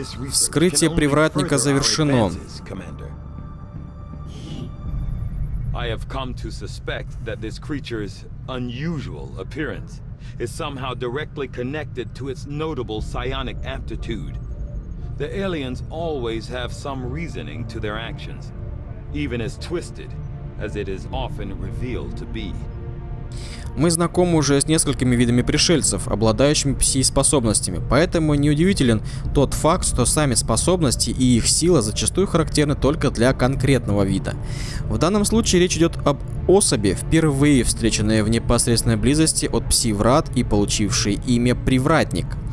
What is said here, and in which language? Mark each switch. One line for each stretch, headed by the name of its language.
Russian: Вскрытие привратника завершено.
English: I have come to suspect that this creature's unusual appearance is somehow directly connected to its notable psionic aptitude. The aliens always have some reasoning to their actions, even as twisted as it is often revealed to be.
Russian: Мы знакомы уже с несколькими видами пришельцев, обладающими пси-способностями, поэтому неудивителен тот факт, что сами способности и их сила зачастую характерны только для конкретного вида. В данном случае речь идет об особи, впервые встреченной в непосредственной близости от пси-врат и получившей имя «Привратник».